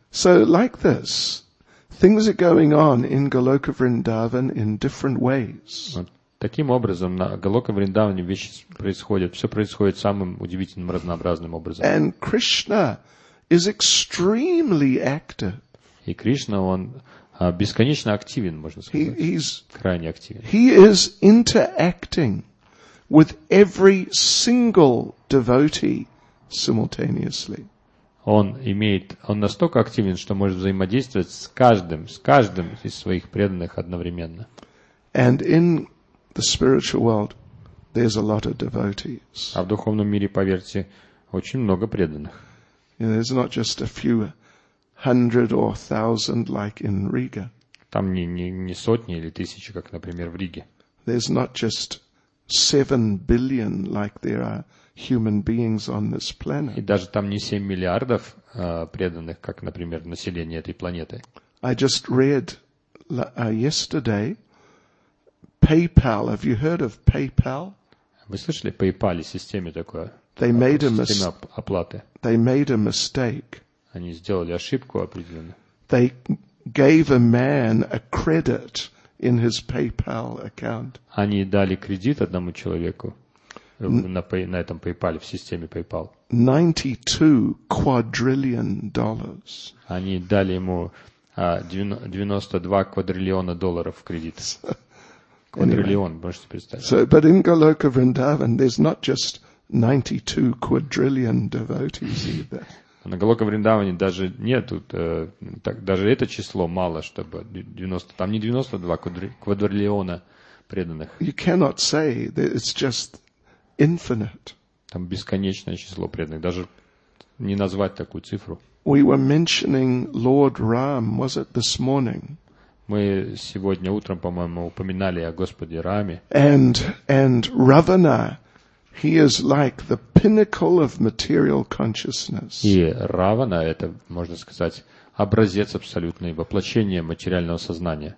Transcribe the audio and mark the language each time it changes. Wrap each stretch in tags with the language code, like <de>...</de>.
<en>So like this. Things are going on in Goloka Vrindavan in different ways.</en> <ru>Таким образом, на Голока Вриндаване вещи происходят, все происходит самым удивительным, разнообразным образом.</ru> <en>And Krishna is extremely active.</en> <ru>И Кришна, он бесконечно активен, можно сказать. Крайне активен.</ru> <en>He is interacting with every single devotee simultaneously.</en> <ru>Он настолько активен, что может взаимодействовать с каждым из своих преданных одновременно.</ru> <en>And in the spiritual world, there's a lot of devotees.</en> <ru>А в духовном мире, поверьте, очень много преданных.</ru> <en>There's not just a few hundred or thousand like in Riga.</en> <ru>Там не сотни или тысячи, как, например, в Риге.</ru> <en>There's not just 7 billion like there are human beings on this planet.</en> <ru>И даже там не 7 миллиардов преданных, как, например, население этой планеты.</ru> <en>I just read yesterday PayPal. Have you heard of PayPal?</en> <ru>Вы слышали о PayPal, системе такое?</ru> <en>They made a mistake.</en> <ru>Система оплаты.</ru> <en>They made a mistake.</en> <ru>Они сделали ошибку определенную.</ru> <en>They gave a man a credit in his PayPal account.</en> <ru>Они дали кредит одному человеку. На этом PayPal, в системе PayPal.</ru> <en>$92 quadrillion.</en> <ru>Они дали ему 92 квадриллиона долларов в кредит. Квадриллион,</ru> <en>anyway.</en> <ru>Можете представить.</ru> <en>So, but in Goloka Vrindavan, there's not just 92 quadrillion devotees either.</en> <ru>На Голока Вриндаване даже нету, даже это число мало, чтобы 90, там не 92 квадриллиона преданных.</ru> <en>You cannot say that it's just infinite.</en> <ru>Там бесконечное число преданных, даже не назвать такую цифру.</ru> <en>We were mentioning Lord Ram, was it this morning?</en> <ru>Мы сегодня утром, по-моему, упоминали о Господе Раме.</ru> <en>And Ravana, he is like the pinnacle of material consciousness.</en> <ru>И Равана это, можно сказать, образец абсолютный, воплощение материального сознания.</ru>